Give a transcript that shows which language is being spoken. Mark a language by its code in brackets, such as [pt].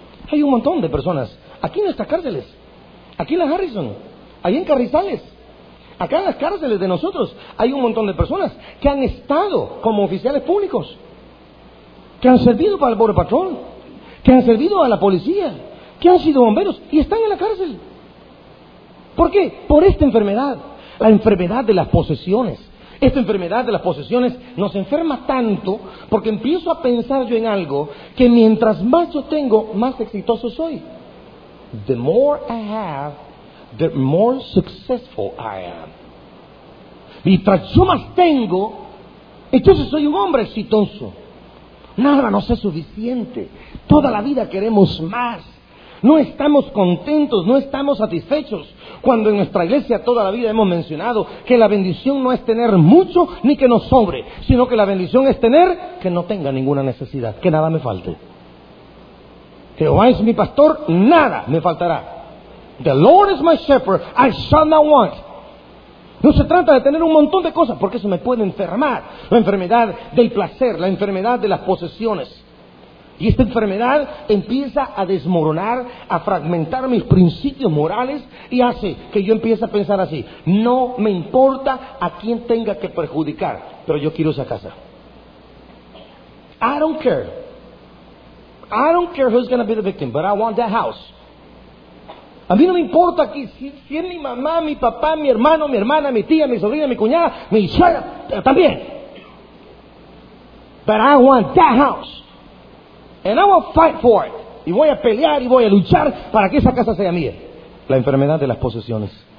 [es] Hay un montón de personas aquí en estas cárceles, aquí en la Harrison, ahí en Carrizales, acá en las cárceles de nosotros, hay un montón de personas que han estado como oficiales públicos, que han servido para el Border Patrol, que han servido a la policía, que han sido bomberos y están en la cárcel. ¿Por qué? Por esta enfermedad, la enfermedad de las posesiones. Esta enfermedad de las posesiones nos enferma tanto porque empiezo a pensar yo en algo que mientras más yo tengo, más exitoso soy. [en] The more I have, the more successful I am. [es] Mientras yo más tengo, entonces soy un hombre exitoso. Nada nos es suficiente. Toda la vida queremos más. No estamos contentos, no estamos satisfechos, cuando en nuestra iglesia toda la vida hemos mencionado que la bendición no es tener mucho ni que nos sobre, sino que la bendición es tener que no tenga ninguna necesidad, que nada me falte. Jehová es mi pastor, nada me faltará. [en] The Lord is my shepherd, I shall not want. [es] No se trata de tener un montón de cosas, porque eso me puede enfermar. La enfermedad del placer, la enfermedad de las posesiones. Y esta enfermedad empieza a desmoronar, a fragmentar mis principios morales y hace que yo empiece a pensar así: no me importa a quién tenga que perjudicar, pero yo quiero esa casa. [en] I don't care who's going to be the victim, but I want that house. [es] A mí no me importa aquí si es mi mamá, mi papá, mi hermano, mi hermana, mi tía, mi sobrina, mi cuñada, mi suegra, también. [en] But I want that house. And I will fight for it. [es] Y voy a pelear y voy a luchar para que esa casa sea mía. La enfermedad de las posesiones.